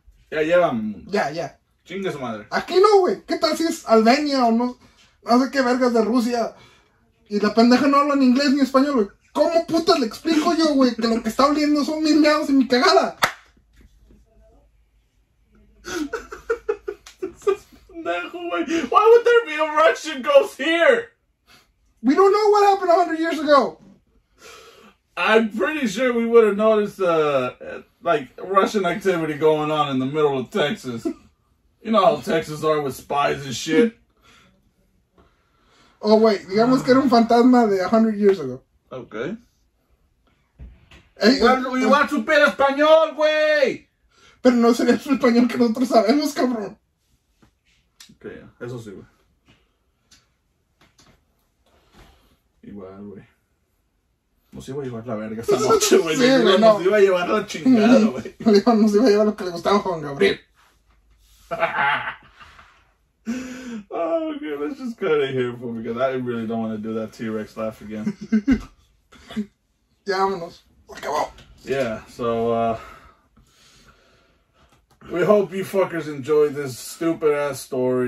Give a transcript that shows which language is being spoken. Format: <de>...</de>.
<es>Ya llevan. Ya, ya. Chingue su madre. Aquí no, güey. ¿Qué tal si es Albania o no sé qué vergas de Rusia? Y la pendeja no habla ni inglés ni español, güey. ¿Cómo putas le explico yo, güey, que lo que está oliendo son mis meados y mi cagada?</es> <en>Why would there be a Russian ghost here? We don't know what happened 100 years ago. I'm pretty sure we would have noticed, like, Russian activity going on in the middle of Texas. You know how Texas are with spies and shit. Oh, wait.</en> <es>Digamos que era un fantasma de 100</es> <en>years ago. Okay. Hey, you want to speak español, güey?</en> <es>Pero no sería su español que nosotros sabemos, cabrón. Okay, eso sí, güey. Igual, güey. Nos iba a llevar la verga esta noche, güey. Sí, güey, no. Nos iba a llevar la chingada, güey. Nos iba a llevar lo que le gustaba a Juan Gabriel.</es> <en>Oh, okay, let's just cut it here for me, because I really don't want to do that T-Rex laugh again.</en> <es>Ya, vámonos.</es> <en>Yeah, so, we hope you fuckers enjoy this stupid-ass story.</en>